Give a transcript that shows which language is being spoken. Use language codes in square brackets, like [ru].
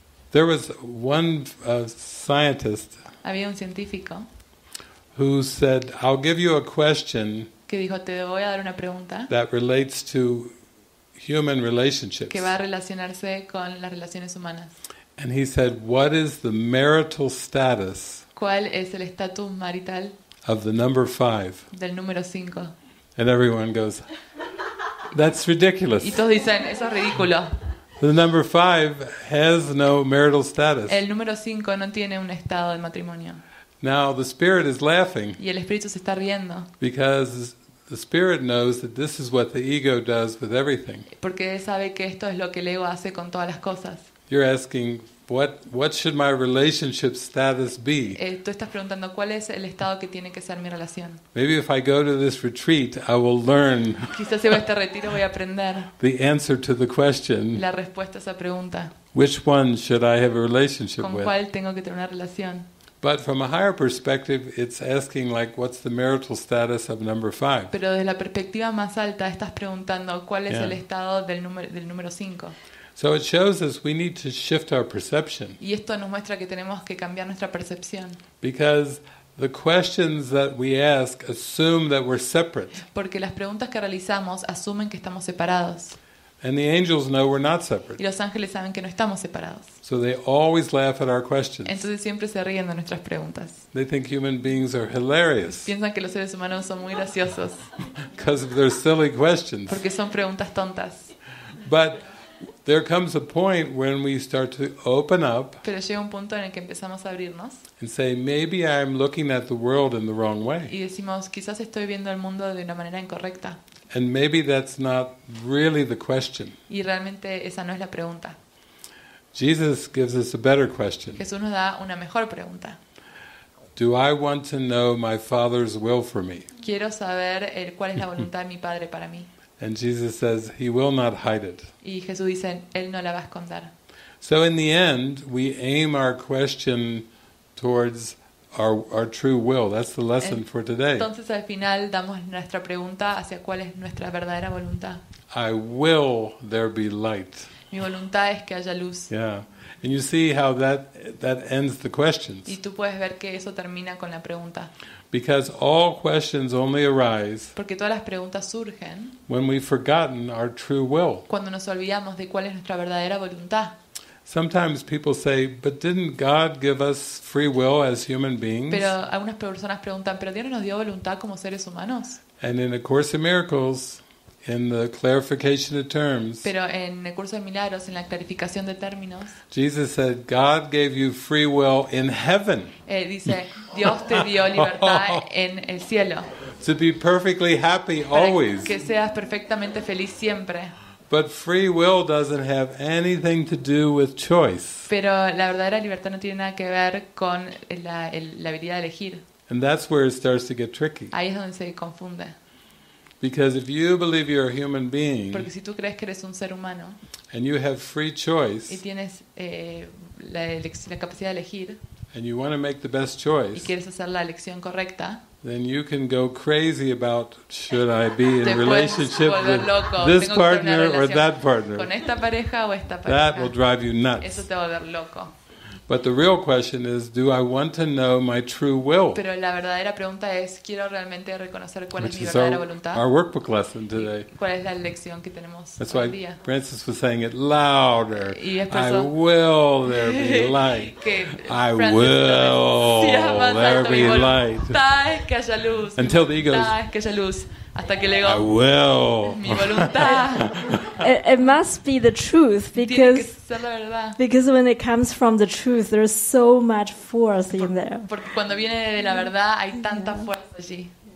[en] There was one scientist. [es] Había un científico. [en] Who said, "I'll give you a question." [es] Que dijo, te voy a dar una pregunta. [en] That relates to human relationships. [es] Que va a relacionarse con las relaciones humanas. [en] And he said, "What is the marital status?" [es] ¿Cuál es el estatus marital? [en] Of the number 5. [es] Del número 5. [en] And everyone goes, that's ridiculous. [es] Y todos dicen, eso es ridículo. [en] The number 5 has no marital status. [es] El número 5 no tiene un estado de matrimonio. [en] Now the spirit is laughing. [es] Y el espíritu se está riendo. [en] Because the spirit knows that this is what the ego does with everything. [es] Porque él sabe que esto es lo que el ego hace con todas las cosas. [en] You're asking what should my relationship status be? [es] Tú estás preguntando cuál es el estado que tiene que ser mi relación. [en] Maybe if I go to this retreat, I will learn. [es] Quizás si voy a este retiro voy a aprender. [en] The answer to the question. [es] La respuesta a esa pregunta. [en] Which one should I have a relationship with? [es] ¿Con cuál tengo que tener una relación? [en] But from a higher perspective, it's asking like, what's the marital status of number 5? [es] Pero desde la perspectiva más alta estás preguntando cuál es el estado del número 5. [en] So it shows us we need to shift our perception. [es] Y esto nos muestra que tenemos que cambiar nuestra percepción. [en] Because the questions that we ask assume that we're separate. [es] Porque las preguntas que realizamos asumen que estamos separados. [en] And the angels know we're not separate. [es] Y los ángeles saben que no estamos separados. [en] So they always laugh at our questions. [es] Entonces siempre se ríen de nuestras preguntas. [en] They think human beings are hilarious. [es] Piensan que los seres humanos son muy graciosos. [en] Because of their silly questions. [es] Porque son preguntas tontas. [en] But there comes a point when we start to open up. [es] Pero llega un punto en el que empezamos a abrirnos. [en] And say, maybe I'm looking at the world in the wrong way. [es] Y decimos, quizás estoy viendo el mundo de una manera incorrecta. [en] And maybe that's not really the question. [es] Y realmente esa no es la pregunta. [en] Jesus gives us a better question. [es] Jesús nos da una mejor pregunta. [en] Do I want to know my Father's will for me? [es] Quiero saber cuál es la voluntad de mi Padre para mí. [en] And Jesus says he will not hide it. [es] Y Jesús dice él no la va a esconder. [en] So in the end we aim our question towards our true will. That's the lesson for today. [es] Entonces al final damos nuestra pregunta hacia cuál es nuestra verdadera voluntad. [en] I will there be light. [es] Mi voluntad es que haya luz. [en] Yeah. And you see how that ends the questions. [es] Y tú puedes ver que eso termina con la pregunta. [en] Because all questions only arise. [es] Porque todas las preguntas surgen. [en] When we've forgotten our true will. [es] Cuando nos olvidamos de cuál es nuestra verdadera voluntad. [en] Sometimes people say, "But didn't God give us free will as human beings?" [es] Pero algunas personas preguntan, ¿pero Dios no nos dio voluntad como seres humanos? [en] And in A Course in Miracles, in the clarification of terms. [es] Pero en el curso de milagros, en la clarificación de términos. [en] Jesus said, "God gave you free will in heaven." [es] Dice, Dios te dio libertad en el cielo. [en] To be perfectly happy always. [es] Que seas perfectamente feliz siempre. [en] But free will doesn't have anything to do with choice. [es] Pero la verdadera libertad no tiene nada que ver con la habilidad de elegir. [en] And that's where it starts to get tricky. [es] Ahí es donde se confunde. [en] Because if you believe you're a human being, [es] porque si tú crees que eres un ser humano, [en] and you have free choice, [es] y tienes la capacidad de elegir, [en] and you want to make the best choice, [es] y quieres hacer la elección correcta, [en] then you can go crazy about should I be in relationship with this partner or that partner. [es] Con esta pareja o esta pareja. [en] That will drive you nuts. [es] Eso te va a volver loco. [en] But the real question is, do I want to know my true will? [es] Pero la verdadera pregunta es, ¿quiero realmente reconocer cuál es mi verdadera voluntad? [en] Our workbook lesson today. [es] ¿Cuál es la lección que tenemos hoy día? [en] That's why Francis was saying it louder. [es] Y es [en] I will there be light. I will there be light. [es] Que haya luz. [en] Until the ego. [es] Que haya luz. Hasta que el ego. [en] I will. [es] Mi voluntad. [en] It must be the truth because when it comes from the truth, there's so much force in there. [es] Porque cuando viene de la verdad, hay tanta fuerza allí.